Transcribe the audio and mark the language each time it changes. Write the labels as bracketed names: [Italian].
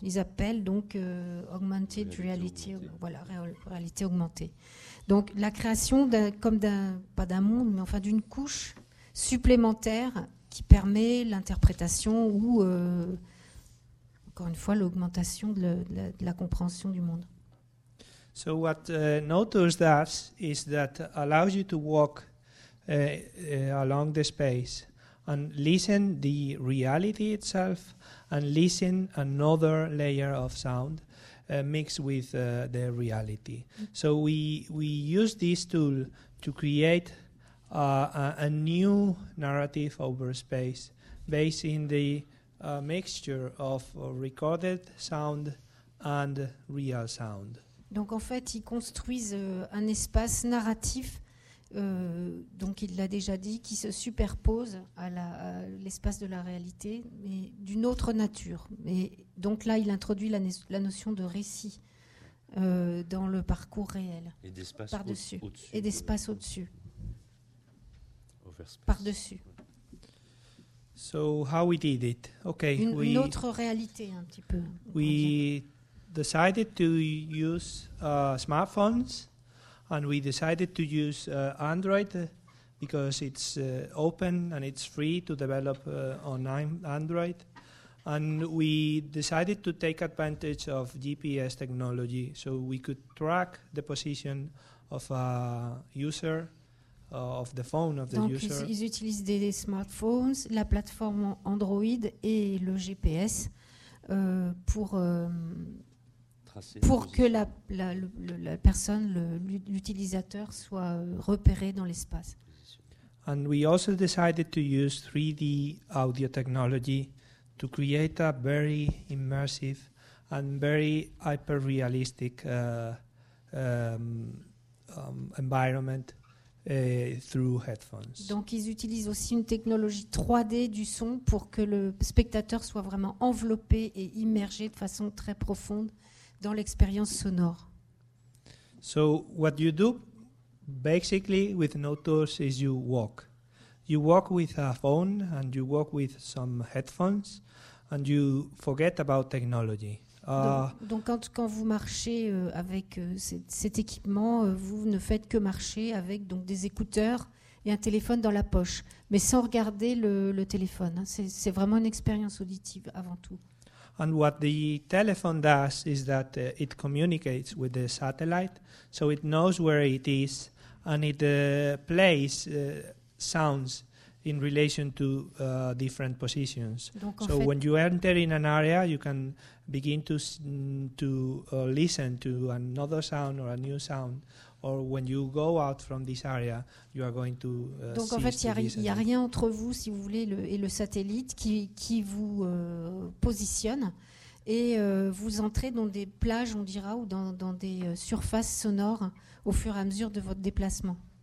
[French] Ils appellent donc augmented reality, voilà, réalité augmentée. Donc la création d'un, comme d'un, pas d'un monde, mais enfin d'une couche supplémentaire qui permet l'interprétation ou, encore une fois, l'augmentation de la compréhension du monde. [English] So what Notus does is that allows you to walk along the space and listen the reality itself and listen another layer of sound mixed with the reality. Mm-hmm. So we use this tool to create a new narrative over space based in the mixture of recorded sound and real sound. [French] Donc en fait, ils construisent un espace narratif, donc il l'a déjà dit, qui se superpose à l'espace de la réalité, mais d'une autre nature. Et donc là, il introduit la notion de récit dans le parcours réel. Et d'espace par-dessus. Au-dessus. Et d'espace au-dessus. [English] Overspace. [French] Par-dessus. [English] So how we did it? Okay. [French] Une autre réalité, un petit peu. [English] We decided to use smartphones, and we decided to use Android because it's open and it's free to develop on Android. And we decided to take advantage of GPS technology so we could track the position of a user, of the phone of the [French] Donc [English] user. [French] Ils utilisent des smartphones, la plateforme Android et le GPS pour que la personne, l'utilisateur, soit repéré dans l'espace. [English] And we also decided to use 3D audio technology to create a very immersive and very hyper-realistic environment through headphones. [French] Donc ils utilisent aussi une technologie 3D du son pour que le spectateur soit vraiment enveloppé et immergé de façon très profonde dans l'expérience sonore. [English] So what you do basically with Notus is you walk. You walk with a phone and you walk with some headphones and you forget about technology. [French] Donc quand vous marchez avec cet équipement, vous ne faites que marcher avec donc des écouteurs et un téléphone dans la poche, mais sans regarder le téléphone. Hein. C'est vraiment une expérience auditive avant tout. [English] And what the telephone does is that it communicates with the satellite, so it knows where it is, and it plays sounds in relation to different positions. [French] Donc [English] so when you enter in an area, you can begin to listen to another sound or a new sound, or when you go out from this area, you are going to [French] Donc en fait, il y a rien entre vous, si vous voulez, et le satellite qui vous positionne et vous entrez dans des plages, on dira, ou dans des surfaces sonores au fur et à mesure de votre déplacement.